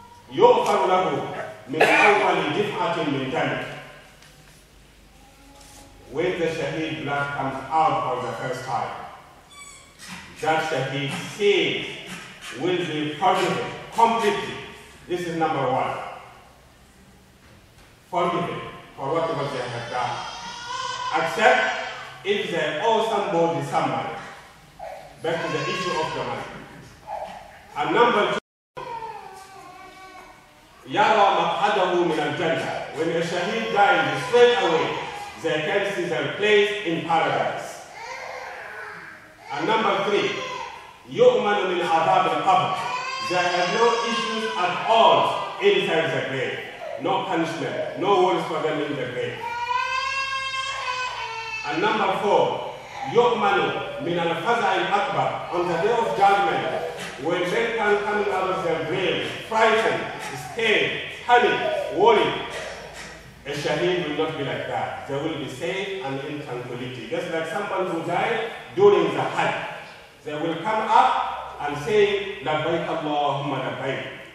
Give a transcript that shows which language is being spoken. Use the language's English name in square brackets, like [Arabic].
[Arabic] يغفر له من أول دفعة من دمه. [English] When the shaheed blood comes out for the first time, that shaheed sin will be forgiven completely. This is number one. Forgiven for whatever they have done. Except if they owe somebody some money. Back to the issue of the money. And number two, [Arabic] يرى مقعده من الجنة. [English] When a shaheed dies straight away, they can see their place in paradise. And number three, [Arabic] يؤمن من عذاب القبر. [English] They have no issues at all inside the grave. No punishment, no worries for them in the grave. And number four, [Arabic] يؤمن من الفزع الأكبر. [English] On the day of judgment, when men can come out of their grave, frightened, scared, panicked, worried, a shaheed will not be like that. They will be safe and in tranquility. Just like someone who died during the Hajj. They will come up and say, "Labbaik Allahumma labbaik."